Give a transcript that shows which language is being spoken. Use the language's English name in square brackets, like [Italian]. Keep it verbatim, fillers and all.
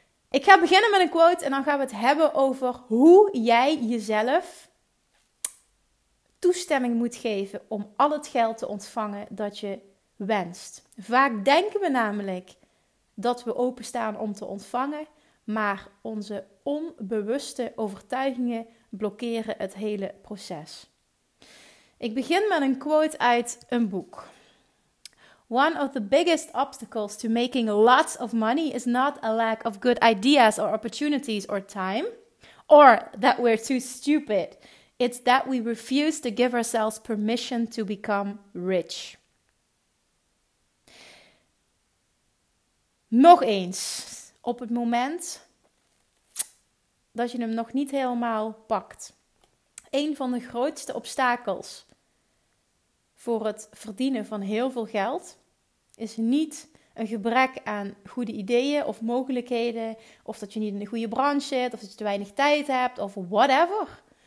[Dutch] Ik ga beginnen met een quote en dan gaan we het hebben over hoe jij jezelf toestemming moet geven om al het geld te ontvangen dat je wenst. Vaak denken we namelijk dat we openstaan om te ontvangen, maar onze onbewuste overtuigingen blokkeren het hele proces. Ik begin met een quote uit een boek. [English] One of the biggest obstacles to making lots of money is not a lack of good ideas or opportunities or time, or that we're too stupid. It's that we refuse to give ourselves permission to become rich. [Dutch] Nog eens, op het moment dat je hem nog niet helemaal pakt. Een van de grootste obstakels voor het verdienen van heel veel geld is niet een gebrek aan goede ideeën of mogelijkheden, of dat je niet in de goede branche zit, of dat je te weinig tijd hebt, of whatever.